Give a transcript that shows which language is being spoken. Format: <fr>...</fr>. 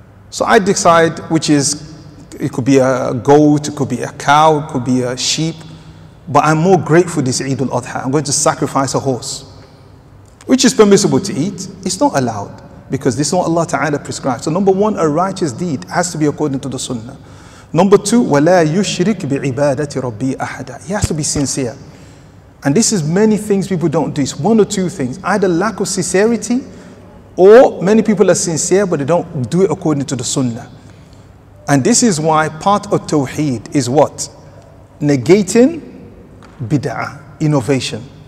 <en>So I decide which is, it could be a goat, it could be a cow, it could be a sheep. But I'm more grateful this Eid al-Adha. I'm going to sacrifice a horse, which is permissible to eat. It's not allowed, because this is what Allah Ta'ala prescribes. So number one, a righteous deed has to be according to the sunnah. Number two,</en> <ar>وَلَا يُشْرِكْ بِعِبَادَةِ رَبِّي أَحَدًا.</ar> <en>He has to be sincere. And this is many things people don't do. It's one or two things. Either lack of sincerity, or many people are sincere, but they don't do it according to the sunnah. And this is why part of Tawheed is what? Negating bid'ah, innovation.</en>